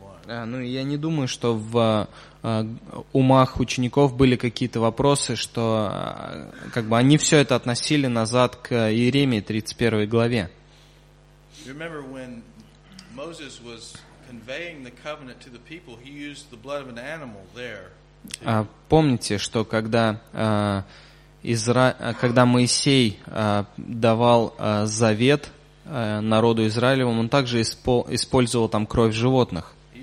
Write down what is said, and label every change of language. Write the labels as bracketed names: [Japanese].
[Russian] Я не думаю, что в умах учеников были какие-то вопросы, что как бы они все это относили назад к Иеремии 31 главе. [English] Remember when Moses was conveying the covenant to the people, he used the blood of an animal there. [Russian] Помните, что когда Моисей давал завет народу Израилевому, он также использовал там кровь животных.